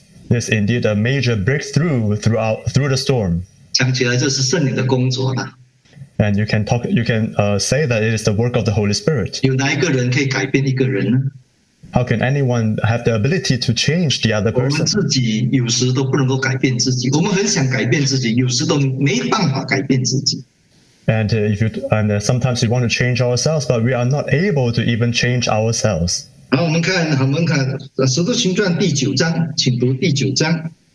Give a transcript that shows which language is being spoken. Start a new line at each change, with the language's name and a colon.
English: Yes, indeed, a major breakthrough through the storm.
Chinese: 讲起来这是圣灵的工作了。
English: And you can say that it is the work of the Holy Spirit.
Chinese: 有哪一个人可以改变一个人呢？
English: How can anyone have the ability to change the other person?
Chinese: 我们自己有时都不能够改变自己，我们很想改变自己，有时都没办法改变自己。
English: And sometimes we want to change ourselves, but we are not able to even change ourselves.
Chinese: 好，我们看《使徒行传》第九章，请读第九章。